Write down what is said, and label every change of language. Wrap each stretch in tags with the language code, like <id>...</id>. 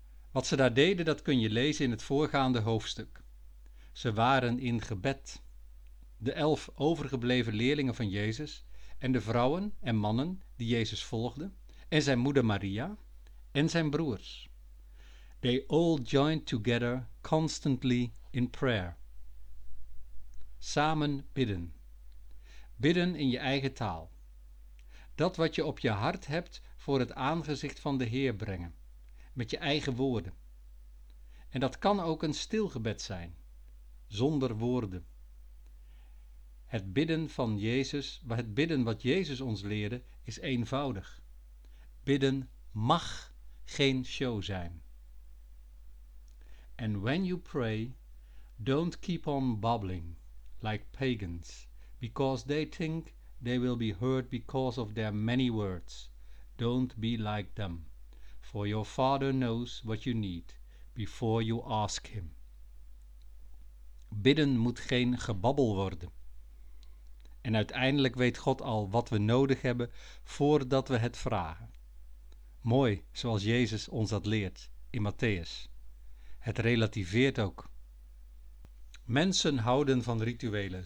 <nl>Wat ze daar deden, dat kun je lezen in het voorgaande hoofdstuk. Ze waren in gebed. De 11 overgebleven leerlingen van Jezus en de vrouwen en mannen die Jezus volgden en zijn moeder Maria en zijn broers.</nl> <en>They all joined together constantly in prayer.</en> <nl>Samen bidden. Bidden in je eigen taal. Dat wat je op je hart hebt voor het aangezicht van de Heer brengen. Met je eigen woorden. En dat kan ook een stil gebed zijn. Zonder woorden. Het bidden van Jezus, het bidden wat Jezus ons leerde, is eenvoudig. Bidden mag geen show zijn.</nl> <en>And when you pray, don't keep on babbling like pagans, because they think they will be heard because of their many words. Don't be like them, for your Father knows what you need before you ask him.</en> <nl>Bidden moet geen gebabbel worden. En uiteindelijk weet God al wat we nodig hebben voordat we het vragen. Mooi, zoals Jezus ons dat leert in Matteüs. Het relativeert ook. Mensen houden van rituelen.</nl>